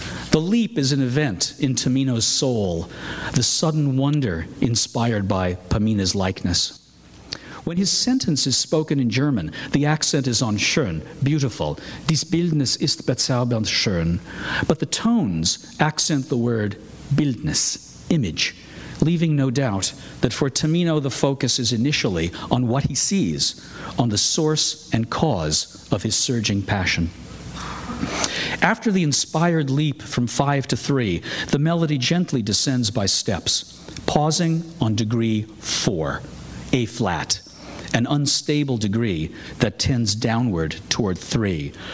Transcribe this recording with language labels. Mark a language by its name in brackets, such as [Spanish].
[English] The leap is an event in Tamino's soul, the sudden wonder inspired by Pamina's likeness. When his sentence is spoken in German, the accent is on schön, beautiful. [German] Dies Bildnis ist bezaubernd schön. [English] But the tones accent the word Bildnis, image, leaving no doubt that for Tamino the focus is initially on what he sees, on the source and cause of his surging passion. After the inspired leap from 5 to 3, the melody gently descends by steps, pausing on degree 4, A flat, an unstable degree that tends downward toward 3.